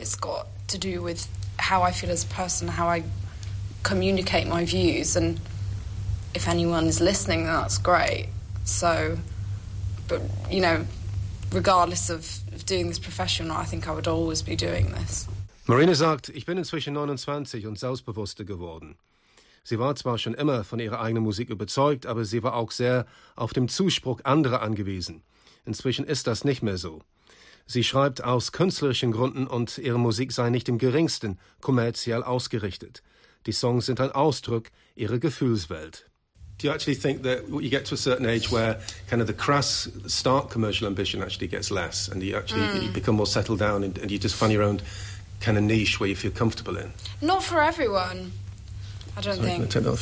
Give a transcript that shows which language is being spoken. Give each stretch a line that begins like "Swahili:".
English: It's got to do with how I feel as a person, how I communicate my views, and if anyone is listening, then that's great. So, but, you know, regardless of doing this professional, I think I would always be doing this.
German: Marina sagt, ich bin inzwischen 29 und selbstbewusster geworden. Sie war zwar schon immer von ihrer eigenen Musik überzeugt, aber sie war auch sehr auf den Zuspruch anderer angewiesen. Inzwischen ist das nicht mehr so. Sie schreibt aus künstlerischen Gründen und ihre Musik sei nicht im geringsten kommerziell ausgerichtet. Die Songs sind ein Ausdruck ihrer Gefühlswelt.
English: Do you actually think that you get to a certain age where kind of the crass, stark commercial ambition actually gets less and you actually you become more settled down and you just find your own kind of niche where you feel comfortable in? Not for everyone, I don't Sorry, think. Can I take that off